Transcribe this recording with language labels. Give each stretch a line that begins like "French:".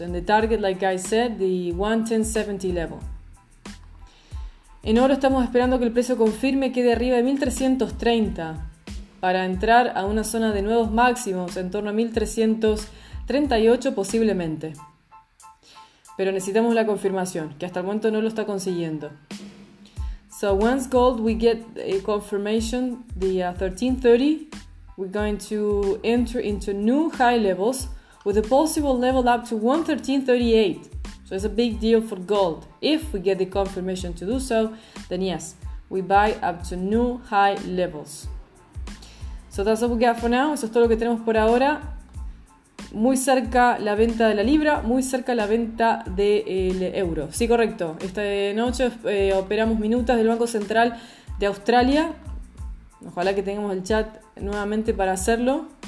English: And the target, like I said, the 1.1070 level.
Spanish: En oro estamos esperando que el precio confirme quede arriba de 1.330 para entrar a una zona de nuevos máximos en torno a 1.338 posiblemente. Pero necesitamos la confirmación, que hasta el momento no lo está consiguiendo.
English: So once gold we get a confirmation, the 1330, we're going to enter into new high levels with a possible level up to 1.1338. So it's a big deal for gold. If we get the confirmation to do so, then yes, we buy up to new high levels. So that's all we got for now.
Spanish: Eso es todo lo que tenemos por ahora. Muy cerca la venta de la libra, muy cerca la venta del euro. Sí, correcto. Esta noche operamos minutas del Banco Central de Australia. Ojalá que tengamos el chat nuevamente para hacerlo.